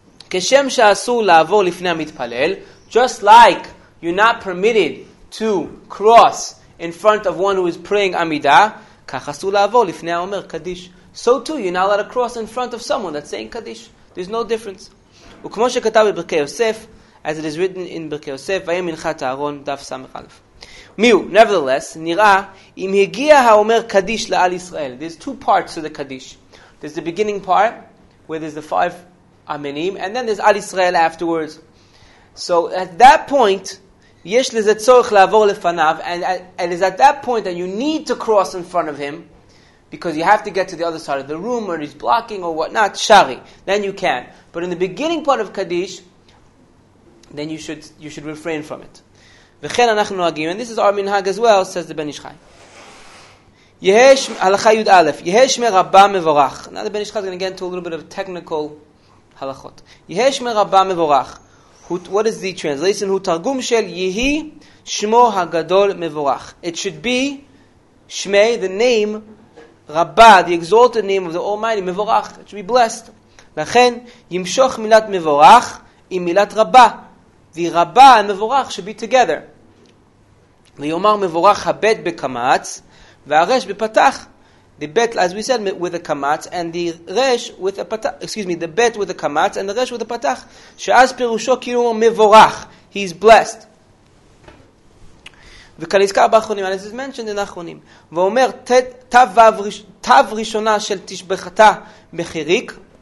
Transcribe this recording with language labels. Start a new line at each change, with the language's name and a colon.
Hebrew: כשם שאסור לעבור לפני המתפלל,
English: just like you're not permitted to cross in front of one who is praying Amidah,
Hebrew: כך אסור לעבור לפני האומר קדיש.
English: So too, you're not allowed to cross in front of someone that's saying קדיש. There's no difference.
Hebrew: וכמו שכתב בברכי יוסף,
English: as it is written in
Hebrew: ברכי יוסף, ויהי מנחת אהרון, דף סמך אלף. מיהו,
English: nevertheless,
Hebrew: נראה, אם הגיע האומר קדיש לעל ישראל.
English: There's two parts to the קדיש. There's the beginning part, where there's the five אמנים, and then there's על ישראל afterwards. So at that point,
Hebrew: יש לזה צורך לעבור לפניו,
English: and it's at that point that you need to cross in front of him, because you have to get to the other side of the room, or he's blocking, or whatnot, shari. Then you can. But in the beginning part of Kaddish, then you should refrain from it.
Hebrew: וכן אנחנו נוהגים,
English: and this is our minhag as well, says the Ben Ish Chai.
Hebrew: יש, הלכה יוד א', יש מרבה מבורך.
English: Now the Ben Ish Chai is going to get into a little bit of technical הלכות.
Hebrew: יש מרבה מבורך.
English: What is the translation?
Hebrew: הוא תרגום של יהי שמו הגדול מבורך.
English: It should be שמי, the name, רבה, the exalted name of the Almighty, מבורך. It should be blessed.
Hebrew: לכן, ימשוך מילת מבורך עם מילת רבה.
English: The רבה and מבורך should be together.
Hebrew: ויאמר מבורך הבית בקמץ, והרש בפתח.
English: The bet, as we said, with a kamatz, and the resh with a patach. Excuse me, the bet with a kamatz, and the resh with a patach.
Hebrew: She'az perusho kirum mevorach.
English: He's blessed.
Hebrew: V'kanizkar b'achronim,
English: and this is mentioned in achronim.
Hebrew: V'omer tav rishona shel tishbechata mechirik.